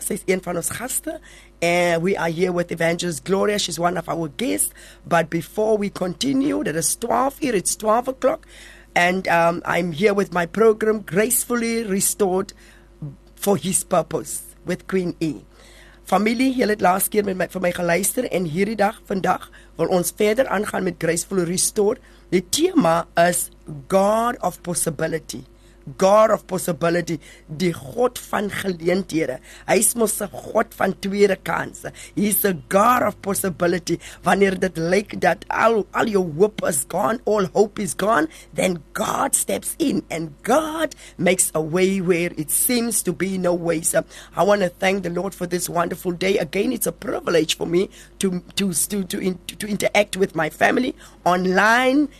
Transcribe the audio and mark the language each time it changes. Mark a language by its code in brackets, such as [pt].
[en] She's [af] een van ons gasten. [en] And we are here with evangelist Gloria. She's one of our guests. But before we continue, that is 12 here. It's 12 o'clock. And I'm here with my program, Gracefully Restored for His Purpose, with Queen E. [af] Familie, julle het laatst keer vir my geluister. En hierdie dag, vandag, wil ons verder aangaan met Gracefully Restored. Die thema is God of Possibility. [en] God of possibility, [af] die God van geleenthede. Hy is mos 'n God van tweede kanse. [en] He is a God of possibility. [af] Wanneer dit lyk dat al [en] your hope is gone, all hope is gone, then God steps in and God makes a way where it seems to be no way. So I want to thank the Lord for this wonderful day. Again, it's a privilege for me to interact with my family online.